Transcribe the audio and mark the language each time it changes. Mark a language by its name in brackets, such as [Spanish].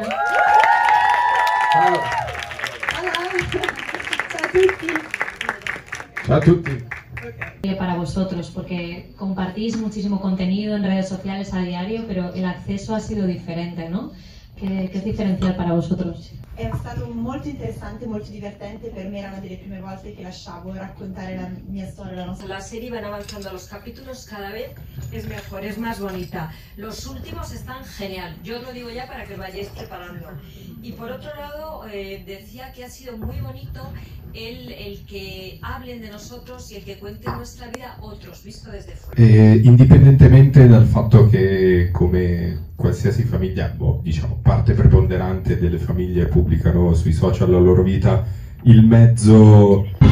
[Spanish] Hola. [Italian] A tutti. A tutti. [Spanish] Para vosotros, porque compartís muchísimo contenido en redes sociales a diario, pero el acceso ha sido diferente, ¿no? ¿Qué es diferencial para vosotros? [Italian] È stato molto interessante, molto divertente. Per me era una delle prime volte che lasciavo raccontare la mia storia, la nostra. [Spanish] La serie va avanzando, los capítulos cada vez es mejor, es más bonita. Los últimos están genial. Yo lo digo ya para que vayáis preparando. Y por otro lado, decía que ha sido muy bonito el que hablen de nosotros y el que cuente nuestra vida otros, visto desde fuera. [Italian] Independientemente del fatto che come qualsiasi famiglia, diciamo, parte preponderante delle famiglie pubblicano sui social la loro vita, il mezzo...